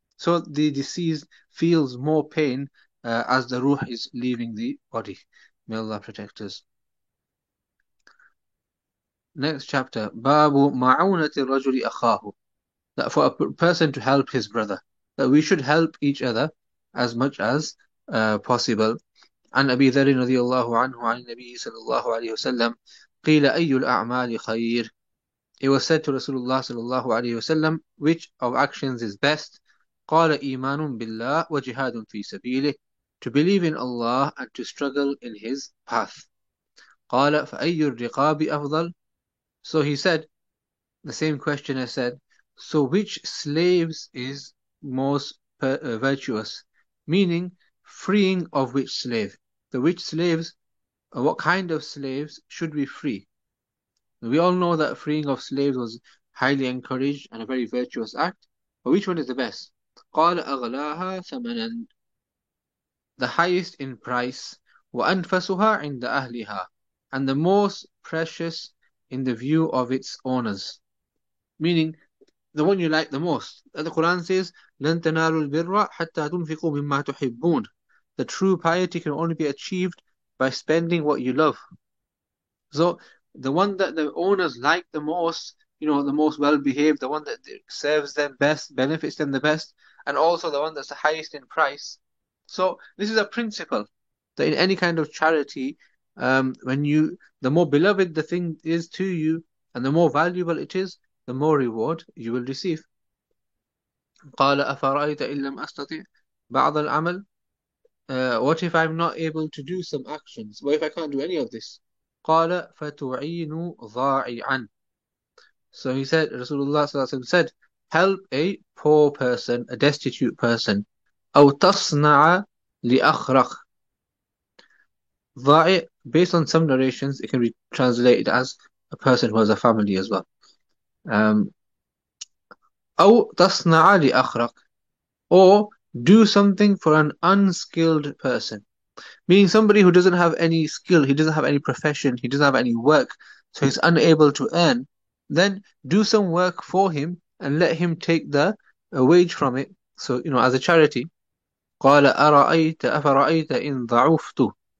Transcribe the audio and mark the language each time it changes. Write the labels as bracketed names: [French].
[English] So the deceased feels more pain as the ruh is leaving the body. May Allah protect us. Next chapter, Babu Ma'unati Rajuli Akhahu. that for a person to help his brother, that we should help each other as much as possible. [Arabic] عن أبي ذر رضي الله عنه عن النبي صلى الله عليه وسلم قيل أي الأعمال خير. [English] It was said to Rasulullah [Arabic] صلى الله عليه وسلم, [English] which of actions is best? [Arabic] قال إيمان بالله وجهاد في سبيله, [English] to believe in Allah and to struggle in His path. [Arabic] قال فأي الرقاب أفضل. [English] So he said, the same questioner said, so which slaves is most virtuous? Meaning, freeing of which slave? The which slaves, what kind of slaves should we free? We all know that freeing of slaves was highly encouraged and a very virtuous act, but which one is the best? [Arabic] قال أغلاها ثمنا, [English] the highest in price, [Arabic] وأنفسها عند أهلها, [English] and the most precious in the view of its owners. Meaning, the one you like the most. The Quran says, [Arabic] لن تنالوا البر حتى تنفقوا مما تحبون. [English] The true piety can only be achieved by spending what you love. So, the one that the owners like the most, you know, the most well-behaved, the one that serves them best, benefits them the best, and also the one that's the highest in price. So, this is a principle that in any kind of charity, when you, the more beloved the thing is to you, and the more valuable it is, the more reward you will receive. [Arabic] قال أفرأيت إن لم أستطع بعض العمل. [English] What if I'm not able to do some actions? What if I can't do any of this? [Arabic] قال فتعين ضائعا. [English] So he said, Rasulullah [Arabic] صلى الله عليه وسلم [English] said, help a poor person, a destitute person. [Arabic] أو تصنع لأخرق. [English] ضائع, based on some narrations, it can be translated as a person who has a family as well. [Arabic] أو تصنع لأخرق, [English] or do something for an unskilled person, meaning somebody who doesn't have any skill, he doesn't have any profession, he doesn't have any work, so he's unable to earn. Then do some work for him and let him take the wage from it. So, you know, as a charity. [Arabic] قال أرأيت أفرأيت إن ضعفت.